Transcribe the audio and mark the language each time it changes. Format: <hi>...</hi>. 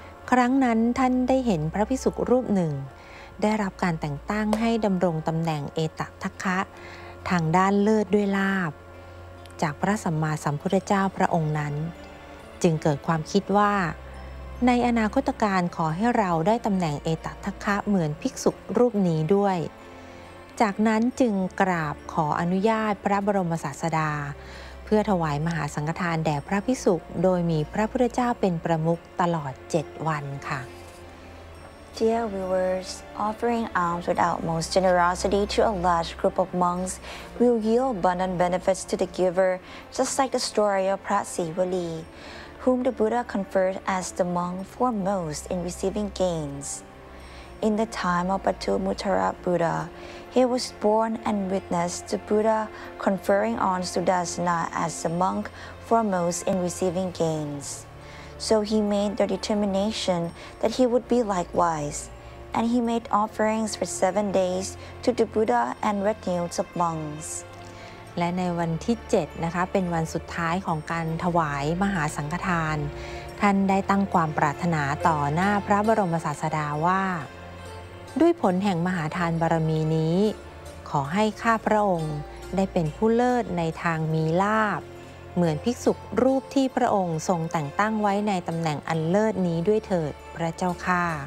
<th>ครั้งนั้นท่านได้เห็นพระภิกษุรูปหนึ่งได้รับการแต่งตั้งให้ดำรงตำแหน่งเอตทัคคะทางด้านเลิศด้วยลาภจากพระสัมมาสัมพุทธเจ้าพระองค์นั้นจึงเกิดความคิดว่าในอนาคตการขอให้เราได้ตำแหน่งเอตทัคคะเหมือนภิกษุรูปนี้ด้วย จากนั้นจึงกราบขออนุญาตพระบรมศาสดาเพื่อถวายมหาสังฆทานแด่พระภิกษุโดยมีพระพุทธเจ้าเป็นประมุขตลอด7วันค่ะ</th> <en>Dear viewers, offering alms with utmost generosity to a large group of monks will yield abundant benefits to the giver, just like the story of Pra Sivali, whom the Buddha conferred as the monk foremost in receiving gains. In the time of Patthumuttara Buddha,He was born and witnessed the Buddha conferring on Sudarsana as the monk foremost in receiving gains. So he made the determination that he would be likewise, and he made offerings for 7 days to the Buddha and retinues of monks.</en> <th>และในวันที่7นะคะเป็นวันสุดท้ายของการถวายมหาสังฆทานท่านได้ตั้งความปรารถนาต่อหน้าพระบรมศาสดาว่าด้วยผลแห่งมหาทานบารมีนี้ขอให้ข้าพระองค์ได้เป็นผู้เลิศในทางมีลาภเหมือนภิกษุรูปที่พระองค์ทรงแต่งตั้งไว้ในตำแหน่งอันเลิศนี้ด้วยเถิดพระเจ้าค่า</th>